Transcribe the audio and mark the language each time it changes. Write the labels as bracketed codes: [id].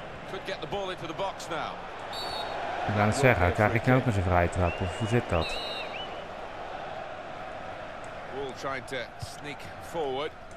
[en] Could get the ball into the box now. [nl] Ik ga het zeggen, krijg ik nou ook eens een vrije trap? Of hoe zit dat? [en] Wall trying to sneak forward.